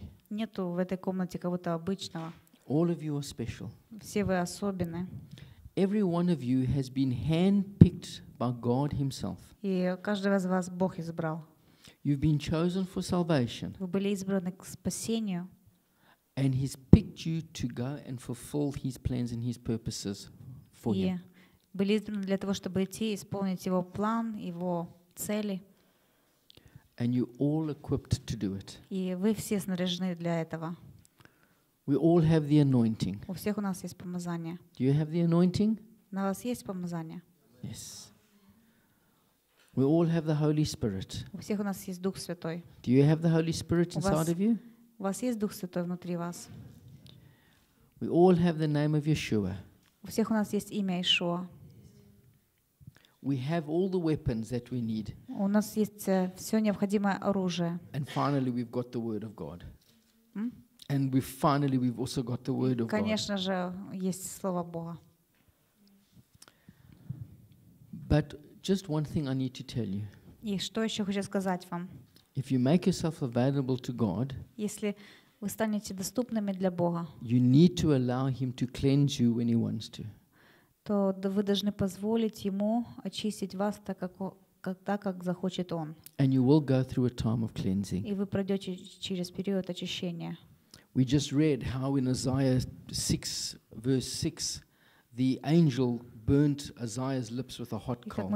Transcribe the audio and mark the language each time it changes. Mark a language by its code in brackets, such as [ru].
[ru] Нету в этой комнате кого-то обычного. [en] All of you are special. [ru] Все вы особенны. [en] Every one of you has been handpicked by God himself. [ru] И каждого из вас Бог избрал. [en] You've been chosen for salvation. [ru] Вы были избраны к спасению. [en] And he's picked you to go and fulfill his plans and his purposes. [ru] И были избраны для того, чтобы идти и исполнить его план, его цели. [en] And you all equipped to do it. [ru] И вы все снаряжены для этого. [en] We all have the anointing. [ru] У всех у нас есть помазание. [en] Do you have the anointing? [ru] На вас есть помазание? [en] Yes. We all have the Holy Spirit. [ru] У всех у нас есть Дух Святой. [en] Do you have the Holy Spirit inside of you? [ru] У вас есть Дух Святой внутри вас? [en] We all have the name of Yeshua. [ru] У всех у нас есть имя Иешуа. [en] We have all the weapons that we need. [ru] У нас есть все необходимое оружие. [en] And finally, we've got the word of God. And we finally we've also got the word of [ru] конечно [en] God. [ru] Же есть слово Бога. [en] But just one thing I need to tell you. [ru] И что ещё хочу сказать вам? [en] If you make yourself available to God, [ru] если вы станете доступными для Бога, [en] you need to allow him to cleanse you when he wants to. [ru] То вы должны позволить ему очистить вас так, как когда как захочет он. [en] And you will go through a time of cleansing. [ru] И вы пройдёте через период очищения. [en] We just read how in Isaiah 6 verse 6 the angel burnt Isaiah's lips with a hot coal.